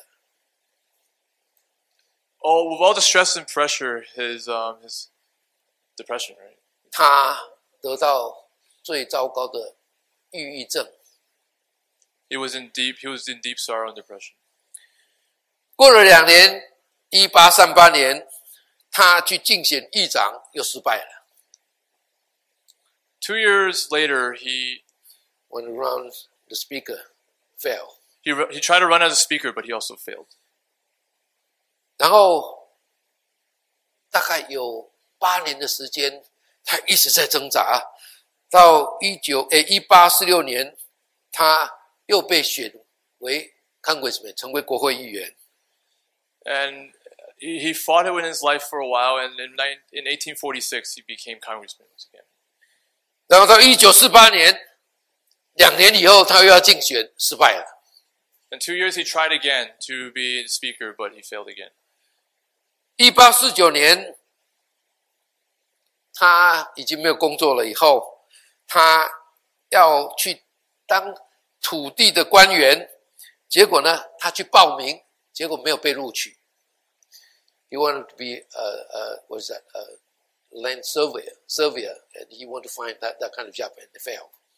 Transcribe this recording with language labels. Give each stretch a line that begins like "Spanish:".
Chinese: 然后呢，因为这么多的压力，在1836年，他的神经崩溃了。
English: Oh, with all the stress and pressure, his depression, right?
Chinese: 他得到最糟糕的抑郁症。
English: He was in deep sorrow and depression.
Chinese: 过了两年, 1838年, 他去竞选议长, 又失败了。
English: 2 years later, he went around the speaker, failed. He tried to run as a speaker, but he also failed.
Chinese: 然后, 大概有8年的时间, 他一直在挣扎, 到 1846年, 他 又被选为 congressman, 成为国会议员。
English: And he fought it in his life for a while, and in 1846, he became congressman once again.
Chinese: 然后到1948年, 2年以后, 他又要竞选, 失败了。
English: And 2 years, he tried again to be speaker, but he failed again.
Chinese: 1849年, 他已经没有工作了以后, 他要去当 土地的官员，结果呢，他去报名，结果没有被录取。
English: He wanted to be a land surveyor, and he wanted to find that kind of job, and failed.